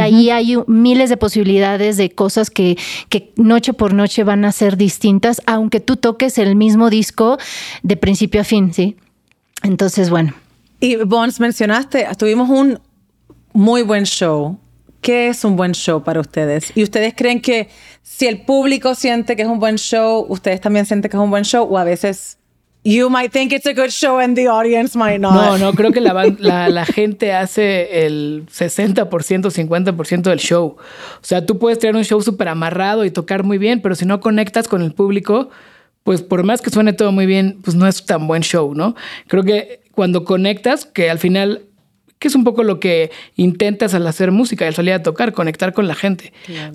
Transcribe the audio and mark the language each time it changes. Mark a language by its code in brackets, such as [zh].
[es] Ahí hay miles de posibilidades de cosas que noche por noche van a ser distintas, aunque tú toques el mismo disco de principio a fin, ¿sí? Entonces, bueno. Y Bones, mencionaste, tuvimos un muy buen show. ¿Qué es un buen show para ustedes? ¿Y ustedes creen que si el público siente que es un buen show, ustedes también sienten que es un buen show? ¿O a veces... [en] You might think it's a good show and the audience might not. [es] No, creo que la gente hace el 60%, 50% del show. O sea, tú puedes tener un show súper amarrado y tocar muy bien, pero si no conectas con el público, pues por más que suene todo muy bien, pues no es tan buen show, ¿no? Creo que cuando conectas, que al final, que es un poco lo que intentas al hacer música, al salir a tocar, conectar con la gente. Claro.